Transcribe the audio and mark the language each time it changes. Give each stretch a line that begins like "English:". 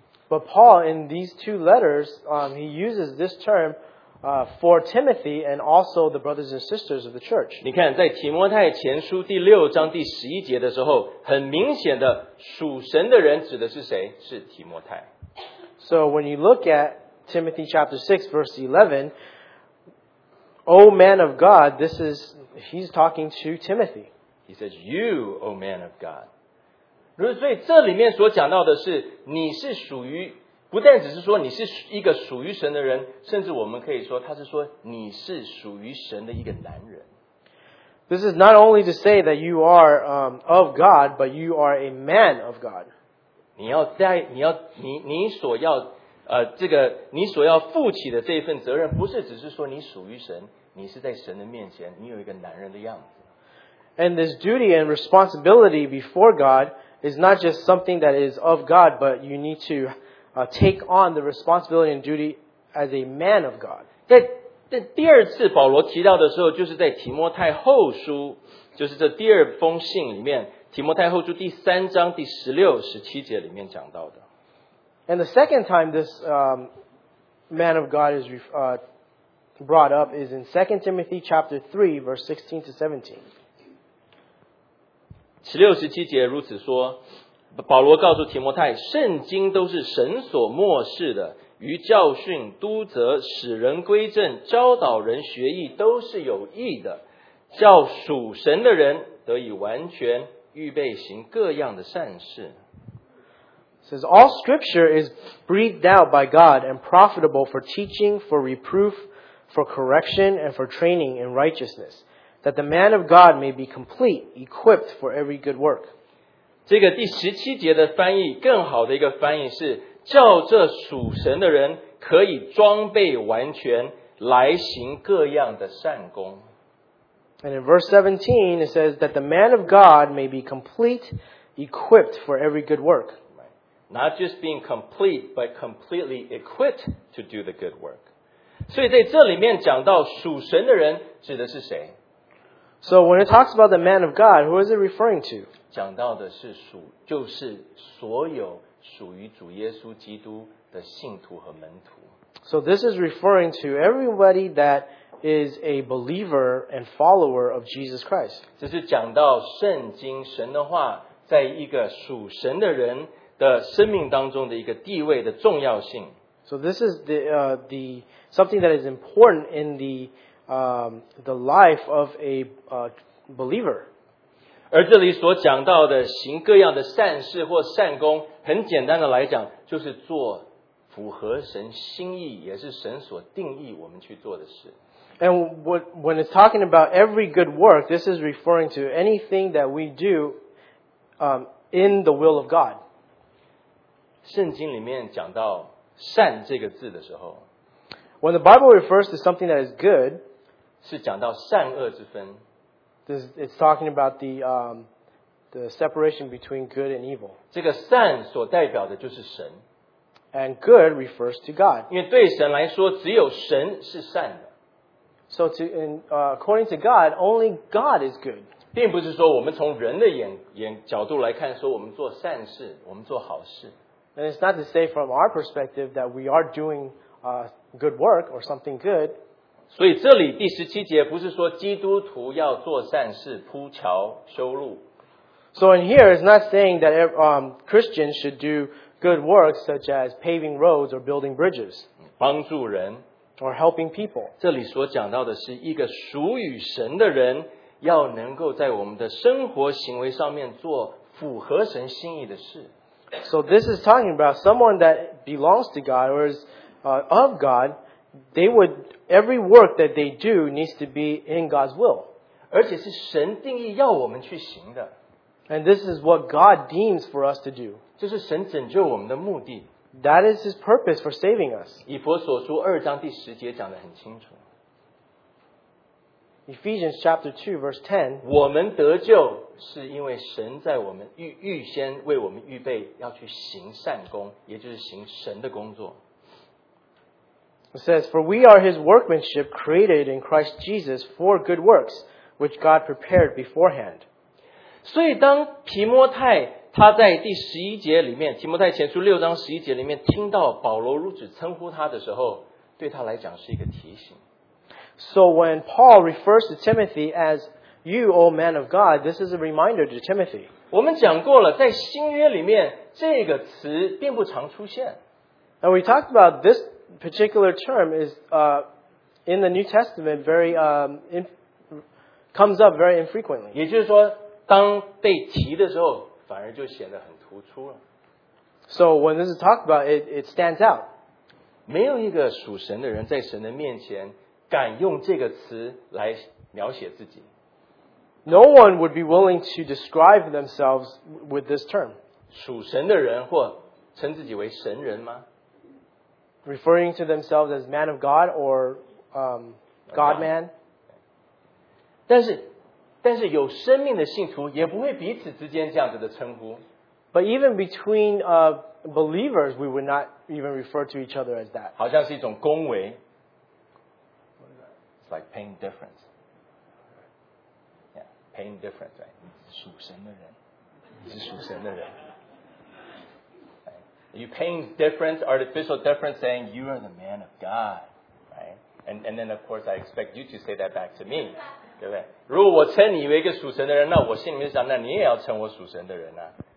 English: But Paul, in these two letters, he uses this term for Timothy and also the brothers and sisters of the church.
Chinese: 你看，在提摩太前书第6章第11节的时候，很明显的属神的人指的是谁？是提摩太。
English: So when you look at Timothy chapter 6, verse 11, O man of God, this is, he's talking to Timothy. He says, you, O man of God.
Chinese: 所以这里面所讲到的是，你是属于，不但只是说你是一个属于神的人，甚至我们可以说，他是说你是属于神的一个男人。This
English: is not only to say that you are of God, but you are a man of God.
Chinese: 你要负起的这份责任，不是只是说你属于神，你是在神的面前，你有一个男人的样子。
English: And this duty and responsibility before God is not just something that is of God, but you need to take on the responsibility and duty as a man of God.
Chinese: 第二次保罗提到的时候，就是在提摩太后书，就是这第二封信里面，提摩太后书第三章第十六、十七节里面讲到的。
English: And the second time this man of God is brought up is in 2 Timothy chapter 3, verse 16 to 17.
Chinese: 十六、十七节如此说，保罗告诉提摩太，圣经都是神所默示的。于教训、督责、使人归正、教导人学义，都是有益的，叫属神的人得以完全，预备行各样的善事。
English: Says all Scripture is breathed out by God and profitable for teaching, for reproof, for correction, and for training in righteousness, that the man of God may be complete, equipped for every good work.
Chinese: 这个第十七节的翻译，更好的一个翻译是。叫这属神的人可以装备完全，来行各样的善功。
English: And in verse 17, it says that the man of God may be complete, equipped for every good work. Not just being complete, but completely equipped to do the good work.
Chinese: 所以在这里面讲到属神的人指的是谁？
English: So when it talks about the man of God, who is it referring to?
Chinese: 讲到的是属，就是所有属于主耶稣基督的信徒和门徒。
English: So this is referring to everybody that is a believer and follower of Jesus Christ.
Chinese: 这是讲到圣经神的话在一个属神的人的生命当中的一个地位的重要性。
English: So this is the something that is important in the life of a believer.
Chinese: 而这里所讲到的行各样的善事或善功，很简单的来讲，就是做符合神心意，也是神所定义我们去做的事。
English: And when it's talking about every good work, this is referring to anything that we do, in the will of God.
Chinese: 圣经里面讲到善这个字的时候
English: ，When the Bible refers to something that is good,
Chinese: 是讲到善恶之分。
English: It's talking about the separation between good and evil.
Chinese: 这个善所代表的就是神。
English: And good refers to God.
Chinese: 因为对神来说，只有神是善的。
English: So according to God, only God is good.
Chinese: 并不是说我们从人的眼角度来看，说我们做善事，我们做好事。
English: And it's not to say from our perspective that we are doing good work or something good.
Chinese: 所以这里第十七节不是说基督徒要做善事铺桥修路。
English: So in here it's not saying that Christians should do good works such as paving roads or building bridges.
Chinese: 帮助人。
English: Or helping people.
Chinese: 这里所讲到的是一个属于神的人要能够在我们的生活行为上面做符合神心意的事。
English: So this is talking about someone that belongs to God or is of God, they would... Every work that they do needs to be in God's will.
Chinese: 而且是神定义要我们去行的。
English: And this is what God deems for us to do.
Chinese: 这是神拯救我们的目的。
English: That is His purpose for saving us.
Chinese: 以弗所书二章第十节讲得很清楚。
English: Ephesians chapter 2 verse 10.
Chinese: 我们得救是因为神在我们预先为我们预备要去行善工，也就是行神的工作。
English: It says, For we are His workmanship created in Christ Jesus for good works, which God prepared beforehand.
Chinese: 所以当提摩太他在第十一节里面，提摩太前书六章十一节里面听到保罗如此称呼他的时候，对他来讲是一个提醒。
English: So when Paul refers to Timothy as you, O man of God, this is a reminder to Timothy.
Chinese: 我们讲过了，在新约里面这个词并不常出现。
English: And we talked about this. Particular term is in the New Testament very comes up very infrequently.
Chinese: 也就是说，当被提的时候，反而就显得很突出了。
English: So when this is talked about, it stands out.
Chinese: 没有一个属神的人在神的面前敢用这个词来描写自己。
English: No one would be willing to describe themselves with this term.
Chinese: 属神的人或称自己为神人吗？
English: Referring to themselves as man of God or God man.
Chinese: 但是有生命的信徒也不会彼此之间这样子的称呼。
English: But even between believers, we would not even refer to each other as that.
Chinese: 好像是一种恭维。
English: It's like paying deference. Yeah, paying deference, right?
Chinese: 你是属神的人。
English: Are you paying deference, artificial deference, saying you are the man of God, right? And then, of course, I expect you to say that back to me.
Chinese: 如果我称你为一个属神的人，那我心里面想，那你也要称我属神的人啊。